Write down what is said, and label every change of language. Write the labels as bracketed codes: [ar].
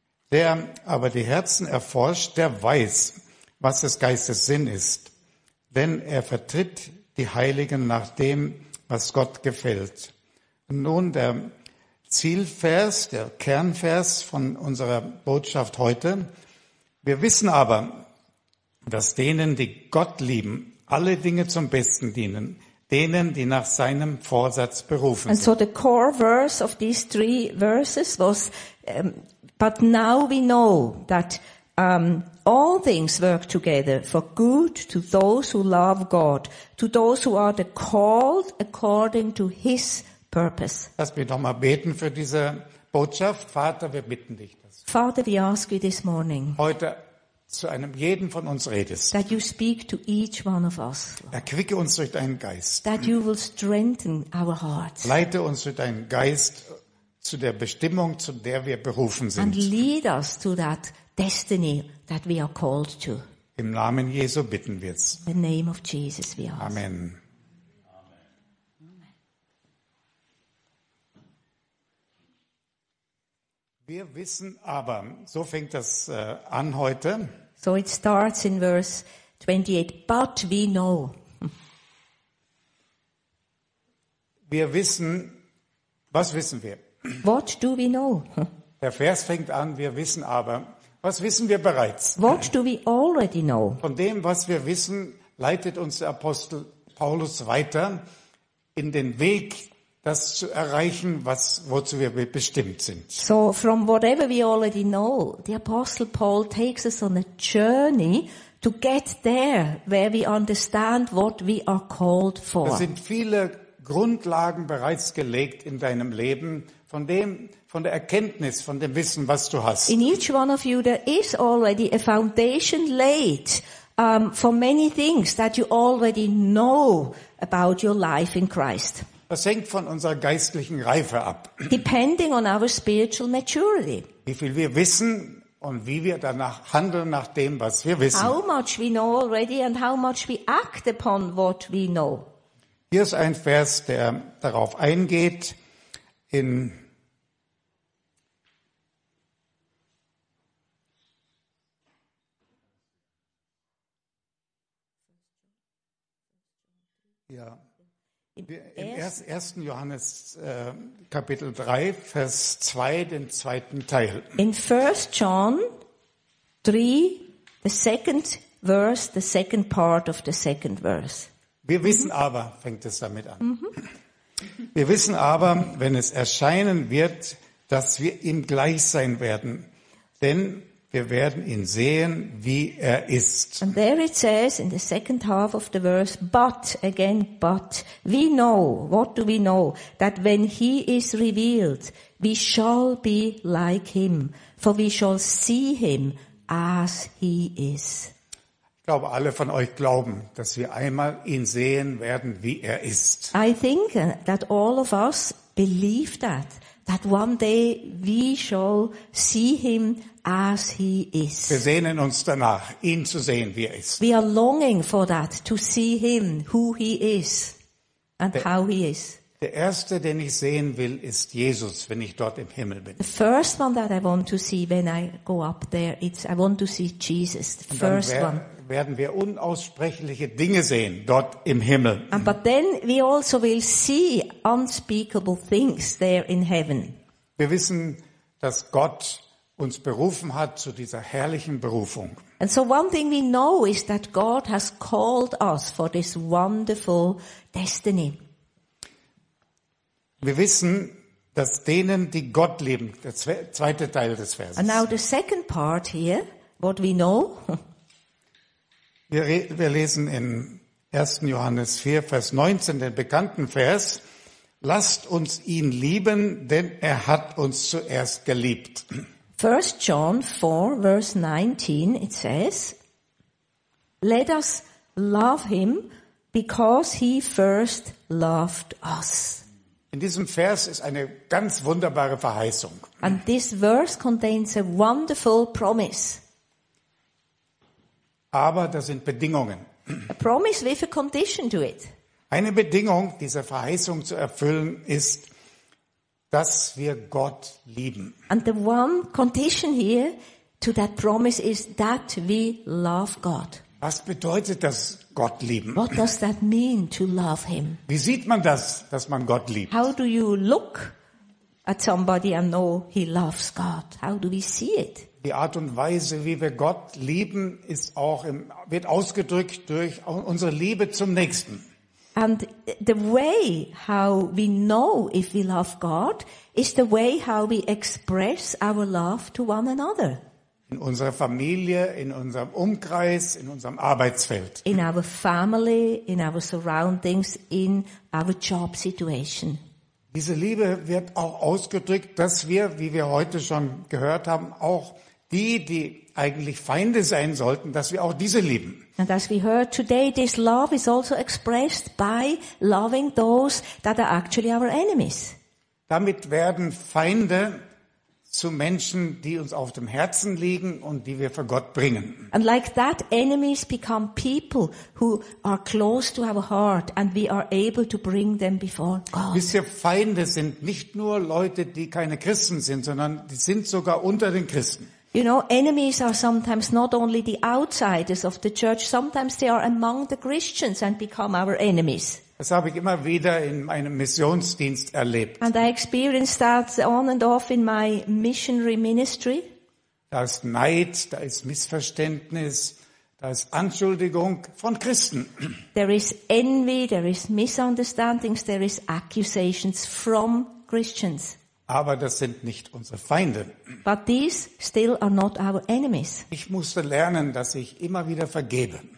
[de] Der aber die Herzen erforscht, der weiß, was des Geistes Sinn ist, denn er vertritt die Heiligen nach dem, was Gott gefällt. Nun der Zielvers, der Kernvers von unserer Botschaft heute. Wir wissen aber, dass denen, die Gott lieben, alle Dinge zum Besten dienen, denen, die nach seinem Vorsatz berufen sind. [en] And so the core verse of these 3 verses was, but now we know that all things work together for good to those who love God, to those who are the called according to his purpose. [de] Lass mich doch mal beten für diese Botschaft. Vater, wir bitten dich. [en] Father, we ask you this morning. [de] Heute zu einem jeden von uns redest. [en] That you speak to each one of us, [de] Lord. Erquicke uns durch deinen Geist. [en] That you will strengthen our hearts. [de] Leite uns durch deinen Geist zu der Bestimmung, zu der wir berufen sind. [en] And lead us to that destiny that we are called to. [de] Im Namen Jesu bitten wir es. [en] In the name of Jesus we ask. Amen. [de] Wir wissen aber, so fängt das an heute. [en] So it starts in verse 28, but we know. [de] Wir wissen, was wissen wir? [en] What do we know? [de] Der Vers fängt an, wir wissen aber, was wissen wir bereits? [en] What do we already know? [de] Von dem, was wir wissen, leitet uns der Apostel Paulus weiter in den Weg das zu erreichen, was wozu wir bestimmt sind. [en] So from whatever we already know, the Apostle Paul takes us on a journey to get there, where we understand what we are called for. [de] Es sind viele Grundlagen bereits gelegt in deinem Leben, von der Erkenntnis, von dem Wissen, was du hast. [en] In each one of you there is already a foundation laid for many things that you already know about your life in Christ. [de] Das hängt von unserer geistlichen Reife ab. [en] Depending on our spiritual maturity. [de] Wie viel wir wissen und wie wir danach handeln nach dem, was wir wissen. [en] How much we know already and how much we act upon what we know. [de] Hier ist ein Vers, der darauf eingeht, in ja. Im 1. Johannes Kapitel 3, Vers 2, den zweiten Teil. [en] In 1. John 3, the second verse, the second part of the second verse. [de] Wir wissen aber, fängt es damit an. Wir wissen aber, wenn es erscheinen wird, dass wir ihm gleich sein werden. Denn wir werden ihn sehen, wie er ist. [en] And there it says in the second half of the verse, but, again, but, we know, what do we know? That when he is revealed, we shall be like him, for we shall see him as he is. [de] Ich glaube, alle von euch glauben, dass wir einmal ihn sehen werden, wie er ist. [en] I think that all of us believe that. That one day we shall see him as he is. [de] Wir sehnen uns danach, ihn zu sehen, wie er ist. [en] We are longing for that, to see him, who he is and how he is. [de] Der erste, den ich sehen will, ist Jesus, wenn ich dort im Himmel bin. [en] The first one that I want to see when I go up there, I want to see Jesus, the first one. [de] Werden wir unaussprechliche Dinge sehen dort im Himmel. [en] But then we also will see unspeakable things there in heaven. [de] Wir wissen, dass Gott uns berufen hat zu dieser herrlichen Berufung. [en] And so one thing we know is that God has called us for this wonderful destiny. [de] Wir wissen, dass denen, die Gott lieben, der zweite Teil des Verses. [en] And now the second part here, what we know. [de] Wir lesen in 1. Johannes 4, Vers 19, den bekannten Vers, lasst uns ihn lieben, denn er hat uns zuerst geliebt. [en] 1. John 4, Verse 19, it says, let us love him, because he first loved us. [de] In diesem Vers ist eine ganz wunderbare Verheißung. [en] And this verse contains a wonderful promise. [de] Aber da sind Bedingungen. [en] A promise with a condition to it. [de] Eine Bedingung, diese Verheißung zu erfüllen, ist, dass wir Gott lieben. [en] And the one condition here to that promise is that we love God. [de] Was bedeutet das, Gott lieben? [en] What does that mean to love him? [de] Wie sieht man das, dass man Gott liebt? [en] How do you look at somebody and know he loves God? How do we see it? [de] Die Art und Weise, wie wir Gott lieben, ist auch wird ausgedrückt durch unsere Liebe zum Nächsten. [en] And the way how we know if we love God is the way how we express our love to one another. [de] In unserer Familie, in unserem Umkreis, in unserem Arbeitsfeld. [en] In our family, in our surroundings, in our job situation. [de] Diese Liebe wird auch ausgedrückt, dass wir, wie wir heute schon gehört haben, auch die eigentlich Feinde sein sollten, dass wir auch diese lieben. [en] And as we heard today, this love is also expressed by loving those that are actually our enemies. [de] Damit werden Feinde zu Menschen, die uns auf dem Herzen liegen und die wir für Gott bringen. [en] And like that, enemies become people who are close to our heart and we are able to bring them before God. [de] Wisst ihr, Feinde sind nicht nur Leute, die keine Christen sind, sondern die sind sogar unter den Christen. [en] You know, enemies are sometimes not only the outsiders of the church, sometimes they are among the Christians and become our enemies. [de] Das habe ich immer wieder in meinem Missionsdienst erlebt. [en] And I experienced that on and off in my missionary ministry. [de] Da ist Neid, da ist Missverständnis, Da ist Anschuldigung von Christen. [en] There is envy, there is misunderstandings, there is accusations from Christians. [de] Aber das sind nicht unsere Feinde. [en] But these still are not our enemies. [de] Ich musste lernen, dass ich immer wieder vergebe.